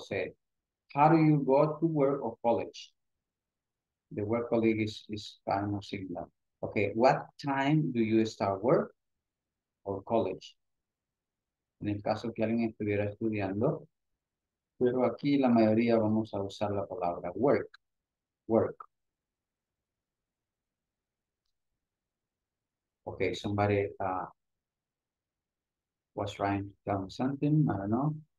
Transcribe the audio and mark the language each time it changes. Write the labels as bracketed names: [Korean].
[English] Say, how do you go to work or college? The work colleague is kind of similar. Okay, what time do you start work or college? [Spanish] En el caso que alguien estuviera estudiando, pero aquí la mayoría vamos a usar la palabra work. [English] Work. Okay, somebody was trying to tell me something, I don't know.